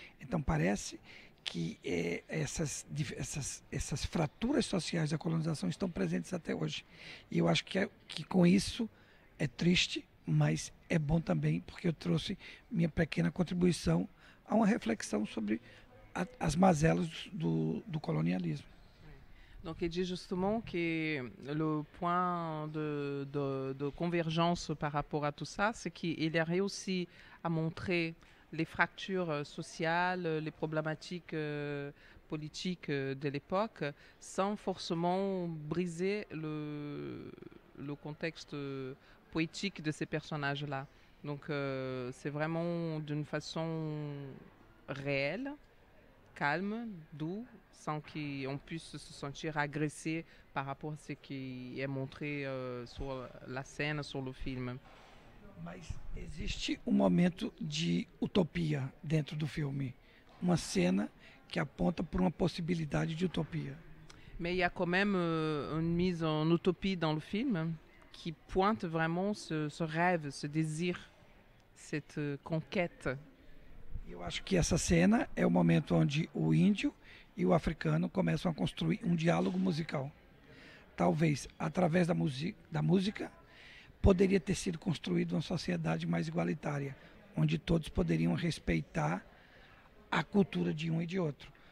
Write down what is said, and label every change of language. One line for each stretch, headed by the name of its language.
Portuguese: Então, parece que essas fraturas sociais da colonização estão presentes até hoje. E eu acho que com isso é triste, mas é bom também, porque eu trouxe minha pequena contribuição a uma reflexão sobre as mazelas do colonialismo.
French: Donc il dit justement que le point de convergence par rapport à tout ça, c'est qu'il a réussi à montrer les fractures sociales, les problématiques politiques de l'époque, sans forcément briser le contexte poétique de ces personnages-là. Donc c'est vraiment d'une façon réelle, calme, doux, sans qu'on puisse se sentir agressé par rapport à ce qui est montré sur la scène, sur le film.
Portuguese: Mais existe um momento de utopia dentro do filme, uma cena que aponta para uma possibilidade de utopia.
French: Mais il y a quand même une mise en utopie dans le film qui pointe vraiment ce rêve, ce désir, cette conquête.
Portuguese: Eu acho que essa cena é o momento onde o índio e o africano começam a construir um diálogo musical. Talvez, através da música, poderia ter sido construída uma sociedade mais igualitária, onde todos poderiam respeitar a cultura de um e de outro.